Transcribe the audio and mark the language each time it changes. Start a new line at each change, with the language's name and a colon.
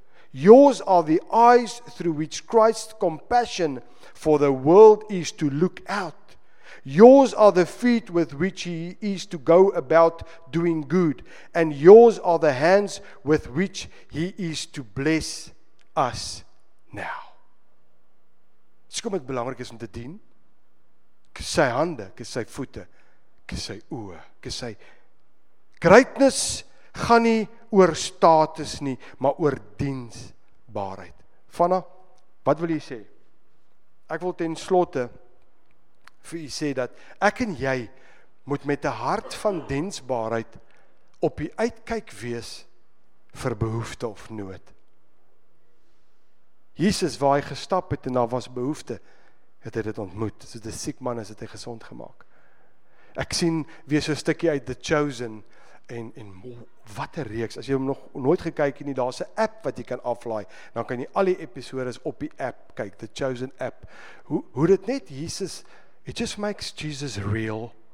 English: Yours are the eyes through which Christ's compassion for the world is to look out. Yours are the feet with which He is to go about doing good, and yours are the hands with which He is to bless us now.
Afrikaans: Dis kom dit belangrik is om te dien. Kies sy hande, kies sy voete, kies sy oë, kies sy greatness gaan nie oor status nie, maar oor diensbaarheid. Fanna, wat wil jy sê? Ek wil ten slotte vir u sê dat ek en jy moet met 'n hart van diensbaarheid op die uitkyk wees vir behoefte of nood. Jesus, waar hy gestap het en daar was behoefte, het hy dit ontmoet. So die siek man is, het hy gesond gemaak. Ek sien weer so 'n stukkie uit The Chosen en wat 'n reeks. As jy hom nog nooit gekyk het nie, daar's 'n app wat jy kan aflaai. Dan kan jy al die episode op die app kyk, The Chosen app. Hoe dit net Jesus,
English: it just makes Jesus real.